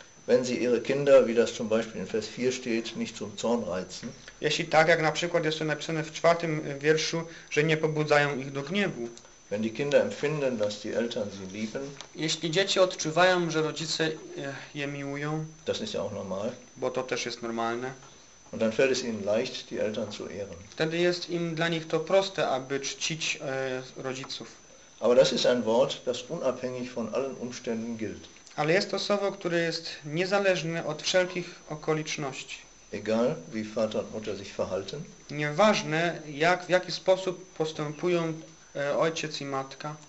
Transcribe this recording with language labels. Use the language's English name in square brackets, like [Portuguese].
[German] Wenn sie ihre Kinder, wie das zum Beispiel in Vers 4 steht, nicht zum Zorn reizen. [Polish] Jeśli tak, jak na przykład jest to napisane w czwartym wierszu, że nie pobudzają ich do gniewu. [German] Wenn die Kinder empfinden, dass die Eltern sie lieben. [Polish] Jeśli dzieci odczuwają, że rodzice je miłują. [German] Das ist ja auch normal. [Polish] Bo to też jest normalne. [German] Und dann fällt es ihnen leicht, die Eltern zu ehren. [Polish] Wtedy jest im dla nich to proste, aby czcić rodziców. [German] Aber das ist ein Wort, das unabhängig von allen Umständen gilt. [Polish] Ale jest to słowo, które jest niezależne od wszelkich okoliczności. [German] Egal, wie Vater und Mutter sich verhalten. [Polish] Nieważne, jak, w jaki sposób postępują ojciec i matka.